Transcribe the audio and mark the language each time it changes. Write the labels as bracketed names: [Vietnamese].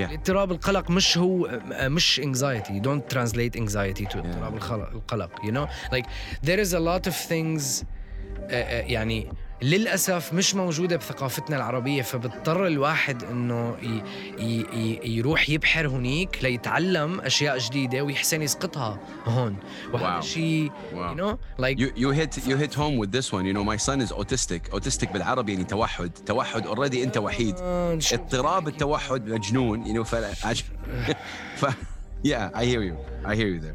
[Arabic] اضطراب القلق مش هو مش anxiety. [English] You don't translate anxiety to اضطراب yeah. [Arabic] القلق. [English] You know like there is a lot of things [Arabic] يعني للأسف مش موجودة بثقافتنا العربية، فبضطر الواحد أنه يروح يبحر هناك ليتعلم أشياء جديدة ويحسن يسقطها هون. وهذا شيء [English] you hit home with this one. You know my son is autistic [Arabic] بالعربي يعني توحد [English] already. [Arabic] أنت وحيد اضطراب التوحد مجنون. [English] You know I hear you there.